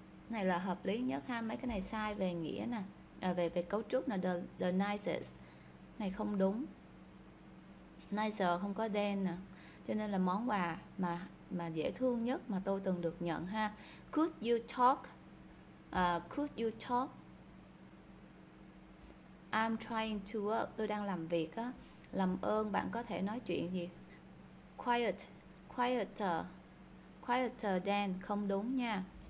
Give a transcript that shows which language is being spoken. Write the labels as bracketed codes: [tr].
[vi] Này là hợp lý nhất ha, mấy cái này sai về nghĩa nè, à, về về cấu trúc nè. The nicest này không đúng, nicer không có đen nè, cho nên là món quà mà dễ thương nhất mà tôi từng được nhận ha. [en] Could you talk, could you talk, I'm trying to work, [vi] tôi đang làm việc á. Làm ơn bạn có thể nói chuyện gì? [en] Quiet, quieter, quieter than, [vi] không đúng nha.